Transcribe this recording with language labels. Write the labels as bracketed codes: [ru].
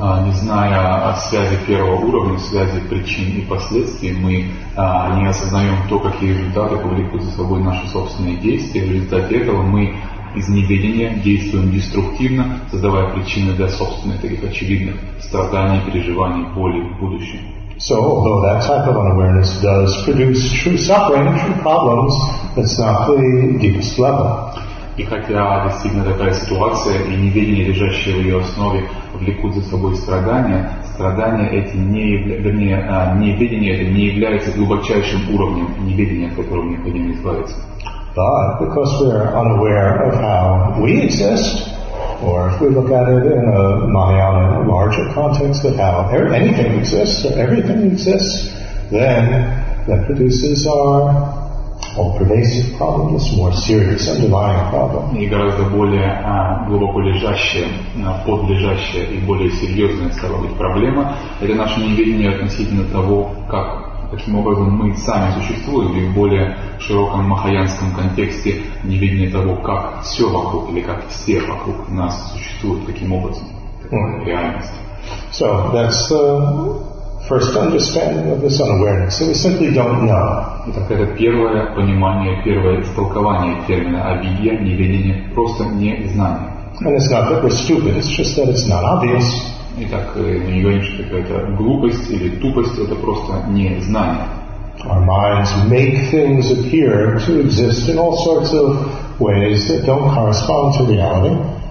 [ru] Не зная о связи первого уровня, связи причин и последствий, мы не осознаем то, какие результаты повлекут за собой наши собственные действия. В результате этого мы из неведения действуем деструктивно, создавая причины для собственных таких очевидных страданий, переживаний, боли в будущем. [en] So, although that type of unawareness does produce true suffering, true problems, it's not the deepest level. [ru] И хотя достигнута такая ситуация, и неведение, лежащее в ее основе, влекут за собой страдания, страдания эти не являются, неведение это не является глубочайшим уровнем неведения, от которого необходимо избавиться. [en] But because we are unaware of how we exist, or if we look at it in a Mahayana, a larger context of how anything exists, or everything exists, then that produces our all-pervasive problem, this more serious underlying problem. [ru] И гораздо более глубоко лежащая, подлежащая и более серьезная, стала быть, проблема, это наше неведение относительно того, как, каким образом мы сами существуем, и в более широком махаянском контексте неведение того, как все вокруг, или как все вокруг нас существуют, каким образом, какая реальность. [en] So, that's the first understanding of this unawareness. So we simply don't know. [ru] Итак, это первое понимание, первое истолкование термина авидья, неведение, просто незнание. [en] And it's not that we're stupid, it's just that it's not obvious. [ru] Итак, мы не говорим, что какая-то глупость или тупость, это просто незнание. [en] Our minds make things appear to exist in all sorts of ways that don't correspond to reality.